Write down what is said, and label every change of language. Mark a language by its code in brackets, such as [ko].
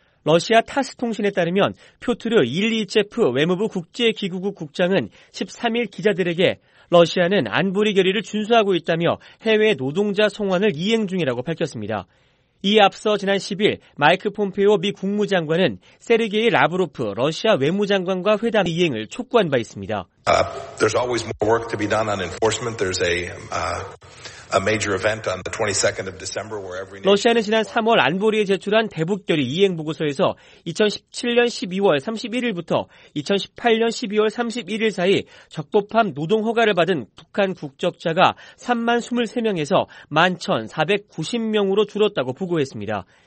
[ko] 러시아 타스 통신에 따르면 표트르 일리체프 외무부 국제기구국 국장은 13일 기자들에게 러시아는 안보리 결의를 준수하고 있다며 해외 노동자 송환을 이행 중이라고 밝혔습니다. 이에 앞서 지난 10일 마이크 폼페오 미 국무장관은 세르게이 라브로프 러시아 외무장관과 회담 이행을 촉구한 바 있습니다. [en] There's always more work to be done on enforcement. There's a major event on the 22nd of December where every [ko] 러시아는 지난 3월 안보리에 제출한 대북 결의 이행 보고서에서 2017년 12월 31일부터 2018년 12월 31일 사이 적법한 노동 허가를 받은 북한 국적자가 3만 23명에서 1만 1,490명으로 줄었다고 보고했습니다.